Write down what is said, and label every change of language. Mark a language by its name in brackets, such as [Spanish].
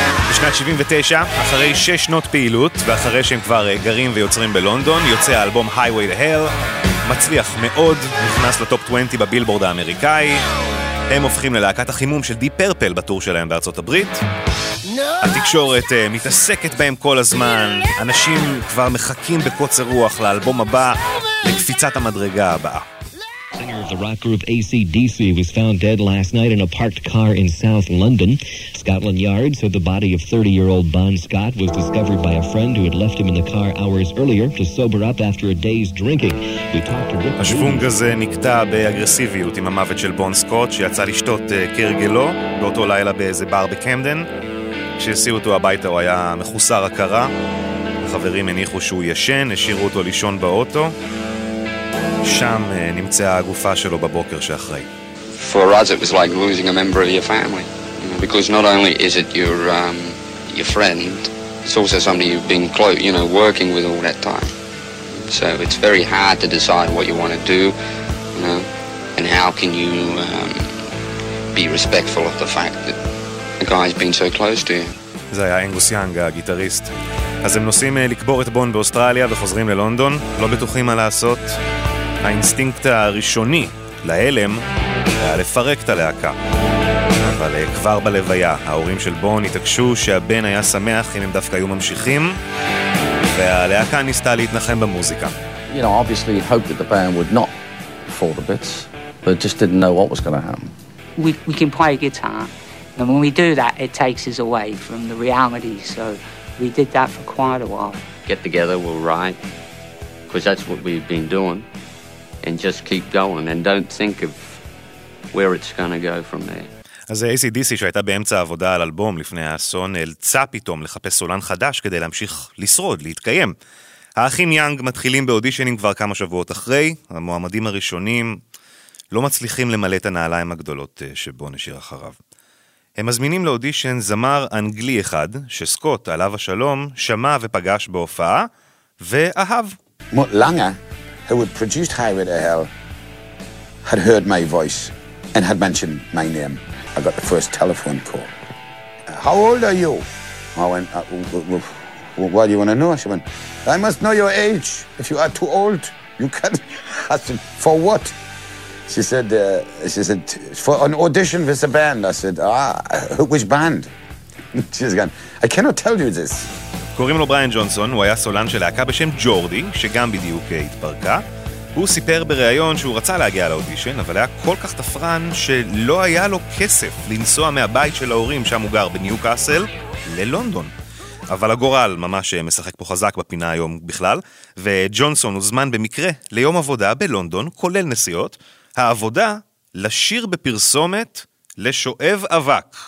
[Hebrew] בשנת 79, אחרי 6 שנות פעילות, ואחרי שהם כבר גרים ויוצרים בלונדון, יוצא האלבום Highway to Hell, מצליח מאוד, נכנס לטופ 20 בבילבורד האמריקאי, הם הופכים ללהקת החימום של Deep Purple בטור שלהם בארצות הברית, התקשורת מתעסקת בהם כל הזמן, אנשים כבר מחכים בקוצר רוח לאלבום הבא, לקפיצת המדרגה הבאה. [English] Singer of the rock group ACDC was found dead last night in a parked car in South London. Scotland Yard said the body of 30-year-old Bon Scott was discovered by a friend who had left him in the car hours earlier to sober up after a day's drinking. We talked to Rick. [Hebrew] השפונג הזה נקטע באגרסיביות עם המוות של בון סקוט, שיצא לשתות כרגלו באותו לילה באיזה בר בקמדן. כשהסיעו אותו הביתה הוא היה מחוסר הכרה. החברים הניחו שהוא ישן, השאירו אותו לישון באוטו. שם נמצאה הגופה שלו בבוקר שאחרי. [English] For us it was like losing a member of your family, because not only is it your your friend, it's also somebody you've been close, you know, working with all that time, so it's very hard to decide what you want to do, you know, and how can you be respectful of the fact that the guy's been so close to you. [Hebrew] זה היה אנגוס יאנג, הגיטריסט. אז הם נוסעים לקבור את בון באוסטרליה וחוזרים ללונדון, לא בטוחים מה לעשות. האינסטינקט הראשוני להלם היה לפרק את הלהקה. אבל כבר בלוויה, ההורים של בון התעקשו שהבן היה שמח אם הם דווקא היו ממשיכים, והלהקה ניסתה להתנחם במוזיקה. [English] You know, obviously you hoped that the band would not fall to bits, but just didn't know what was going to happen. We can play guitar, and when we do that, it takes us away from the reality, so we did that for quite a while. Get together, we'll write, because that's what we've been doing. And just keep going and don't think of where it's going to go from there. [Hebrew] אז ACDC שהייתה באמצע עבודה על אלבום לפני האסון, אלצה פתאום לחפש סולן חדש כדי להמשיך לשרוד, להתקיים. האחים יאנג מתחילים באודישנים כבר כמה שבועות אחרי, המועמדים הראשונים לא מצליחים למלא את הנעליים הגדולות שבו נשאיר אחריו. הם מזמינים לאודישן זמר אנגלי אחד, שסקוט, עליו השלום, שמע ופגש בהופעה, ואהב. מולנגה? [English] who had produced Highway to Hell, had heard my voice and had mentioned my name. I got the first telephone call. How old are you? I went, what do you want to know? She went, I must know your age. If you are too old, you can't. I said, for what? She said, for an audition with a band. I said, which band? She's gone, I cannot tell you this. [Hebrew] קוראים לו בריין ג'ונסון, הוא היה סולן של להקה בשם ג'ורדי, שגם בדיוק התפרקה. הוא סיפר בריאיון שהוא רצה להגיע לאודישן, אבל היה כל כך תפרן שלא היה לו כסף לנסוע מהבית של ההורים, שם הוא גר בניו קאסל, ללונדון. אבל הגורל ממש משחק פה חזק בפינה היום בכלל, וג'ונסון הוזמן במקרה ליום עבודה בלונדון, כולל נסיעות, העבודה לשיר בפרסומת לשואב אבק.